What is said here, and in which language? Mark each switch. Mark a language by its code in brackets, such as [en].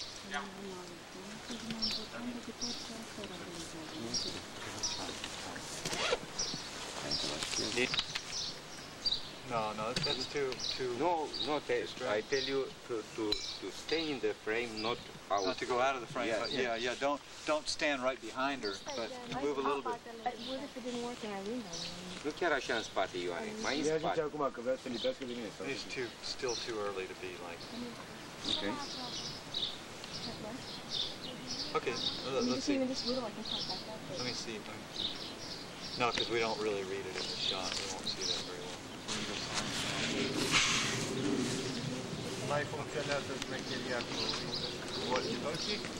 [en] Yeah. No, that's too. No, I tell you to stay in the frame, not out. Not to go out of the frame. Yes, but yeah. Don't stand right behind her, but move a little bit. But what if it didn't work and I ruined it? [ro] Nu chiar așa în spate, Ioane. Mai în spate. Ia acum că vrea să lipească de mine. [en] It's too, still too early to be like... Okay. Okay, let's see. Let me see. No, because we don't really read it in the shot. We won't see that very well. [ro] Mai funcționează smecheria cu walkie-talkie?